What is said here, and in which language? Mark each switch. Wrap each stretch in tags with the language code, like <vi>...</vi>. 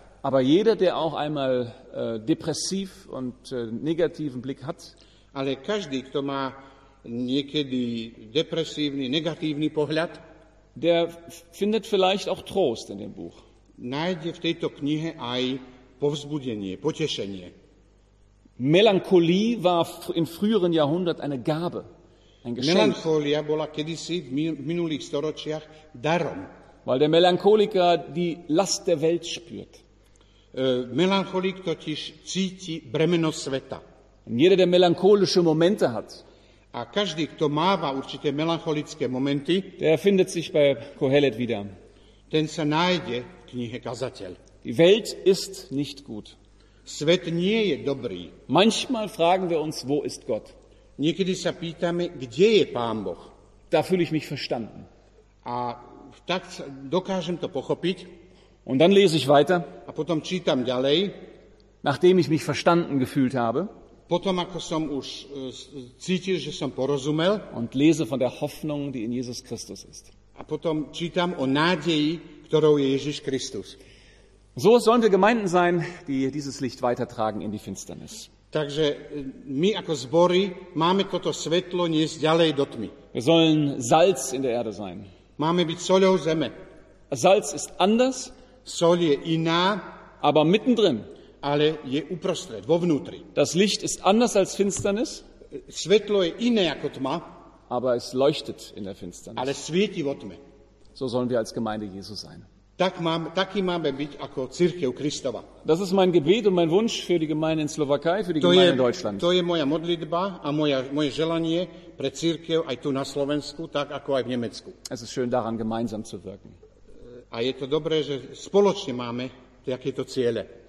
<de>Aber jeder, der auch einmal depressiv und negativen Blick hat,</de> <sk>ale každý, kto má niekedy depresívny, negatívny pohľad,</sk> <de>der findet vielleicht auch Trost in dem Buch.</de> <sk>Nájde v tejto knihe aj povzbudenie, potešenie.</sk> <de>Melancholie war im früheren Jahrhundert eine Gabe.</de> <sk>Melancholia bola kedysi v minulých storočiach darom.</sk> <de>Weil der Melancholiker die Last der Welt spürt.</de> <sk>Melancholik totiž cíti bremeno sveta.</sk> <de>Jeder, der melancholische Momente hat.</de> <sk>A každý, kto máva určité melancholické momenty,</sk> <de>der findet sich bei Kohelet wieder.</de> <sk>Ten sa nájde v knihe Kazateľ.</sk> <de>Die Welt ist nicht gut.</de> <sk>Svet nie je dobrý.</sk> <de>Manchmal fragen wir uns, wo ist Gott?</de> <sk>Niekedy sa pýtame, kde je Pán Boh.</sk> <de>Da fühle ich mich verstanden.</de> <sk>A tak dokážem to pochopiť.</sk> <de>Und dann lese ich weiter.</de> <sk>A potom čítam ďalej.</sk> <de>Nachdem ich mich verstanden gefühlt habe.</de> <sk>Potom ako som už cítil, že som porozumel.</sk> <de>Und lese von der Hoffnung, die in Jesus Christus ist.</de> <sk>A potom čítam o nádeji, ktorou je Ježiš Kristus.</sk> <de>So sollen wir Gemeinden sein, die dieses Licht weitertragen in die Finsternis.</de> <sk>Takže my ako zbory máme toto svetlo niesť ďalej do tmy.</sk> <de>Wir sollen Salz in der Erde sein.</de> <sk>Máme byť soľou zeme.</sk> <de>Salz ist anders.</de> <sk>Soľ je iná.</sk> <de>Aber mittendrin.</de> <sk>Ale je uprostred, vo vnútri.</sk> <de>Das Licht ist anders als Finsternis.</de> <sk>Svetlo je iné ako tma.</sk> <de>Aber es leuchtet in der Finsternis.</de> <sk>Ale svieti vo tme.</sk> <de>So sollen wir als Gemeinde Jesu sein.</de> <sk>Taký máme byť ako cirkev Kristova.</sk> <de>Das ist mein Gebet und mein Wunsch für die Gemeinde in Slowakei, für die Gemeinde in Deutschland.</de> <sk>To je moja modlitba a moje želanie pre cirkev aj tu na Slovensku, tak ako aj v Nemecku.</sk> <de>Es ist schön daran gemeinsam zu wirken.</de> <sk>A je to dobré, že spoločne máme takéto ciele.</sk>